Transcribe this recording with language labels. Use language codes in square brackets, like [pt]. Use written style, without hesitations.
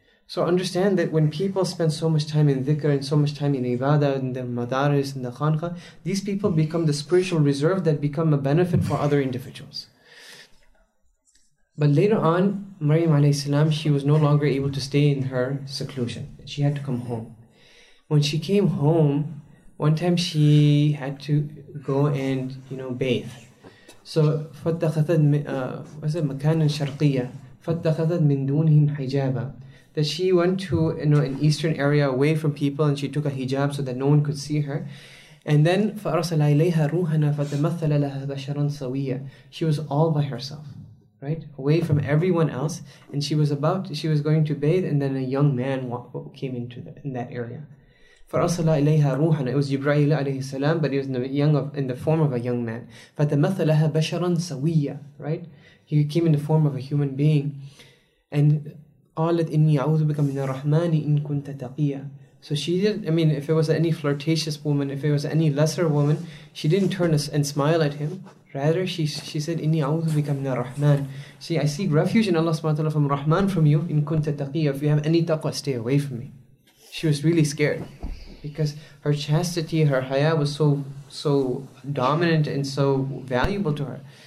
[en] So understand that when people spend so much time in dhikr and so much time in ibadah and the madaris and the khanqa, these people become the spiritual reserve that become a benefit for other individuals. But later on, Maryam alayhi salam, she was no longer able to stay in her seclusion. She had to come home. When she came home, one time she had to go and, you know, bathe. [ar] So فَتَّخَذَتْ [en] was it [ar] مَكَانًا شَرْقِيَّةً فَتَّخَذَتْ مِنْ دُونِهِمْ حِجَابًا. [en] That she went to, you know, an eastern area away from people, and she took a hijab so that no one could see her. And then [ar] فَأَرْسَلَ إِلَيْهَا رُوحَنَا فَتَمَثَّلَ لَهَا بَشَرًا سَوِيًّا. [en] She was all by herself, right? Away from everyone else. And she was going to bathe, and then a young man came into in that area. [ar] فَأَرْسَلَ إِلَيْهَا رُوحَنَا. [en] It was Jibreel alayhi salam, but he was in the form of a young man. [ar] فَتَمَثَّلَ لَهَا بَشَرًا سَوِيًّا. [en] Right? He came in the form of a human being. And [ar] قالت إني أعوذ بك من الرحمن إن كنت تقيا. [en] So she didn't, I mean, if it was any flirtatious woman, if it was any lesser woman, she didn't turn and smile at him. Rather, she said, [ar] إني أعوذ بك من الرحمن. [en] See, I seek refuge in Allah subhanahu wa ta'ala from Rahman, from you, [ar] إن كنت تقيا. [en] If you have any taqwa, stay away from me. She was really scared because her chastity, her haya was so dominant and so valuable to her.